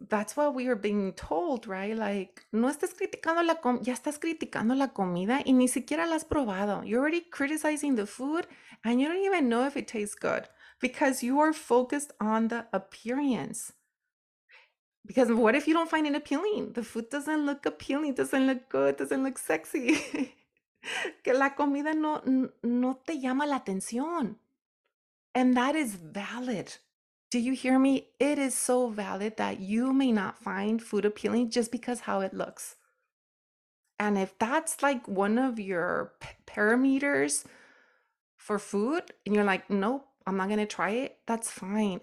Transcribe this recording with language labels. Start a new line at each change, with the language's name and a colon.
English: That's what we are being told, right? Like,
Spanish: no estás criticando la comida, ya estás criticando la comida y ni siquiera la has probado.
English: You're already criticizing the food and you don't even know if it tastes good because you are focused on the appearance. Because what if you don't find it appealing? The food doesn't look appealing, doesn't look good, doesn't look sexy.
Spanish: Que la comida no te llama la atención.
English: And that is valid. Do you hear me? It is so valid that you may not find food appealing just because how it looks. And if that's like one of your parameters for food and you're like, nope, I'm not going to try it, that's fine.